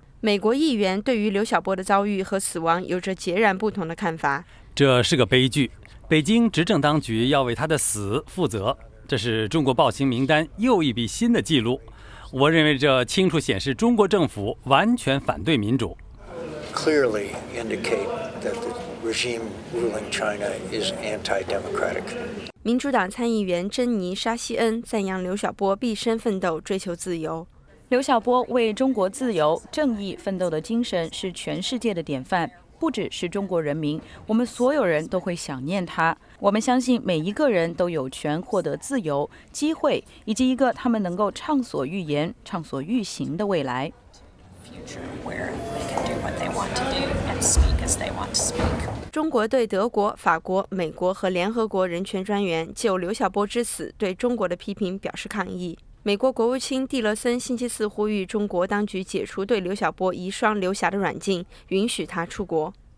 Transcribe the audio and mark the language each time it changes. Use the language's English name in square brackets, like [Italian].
[Chinese] 美国议员对于刘晓波的遭遇和死亡有着截然不同的看法。这是个悲剧，北京执政当局要为他的死负责，这是中国暴行名单又一笔新的记录。我认为这清楚显示中国政府完全反对民主。 [English] Clearly indicate that the regime ruling China is anti-democratic. [Chinese] 民主党参议员珍妮·沙西恩赞扬刘晓波毕生奋斗追求自由。刘晓波为中国自由、正义奋斗的精神是全世界的典范。不只是中国人民，我们所有人都会想念他。我们相信每一个人都有权获得自由、机会，以及一个他们能够畅所欲言、畅所欲行的未来。 [English] Future where they can do what they want to do and speak as they want to speak. [Chinese] 中国对德国、法国、美国和联合国人权专员就刘晓波之死对中国的批评表示抗议。美国国务卿蒂勒森星期四呼吁中国当局解除对刘晓波遗孀刘霞的软禁，允许他出国。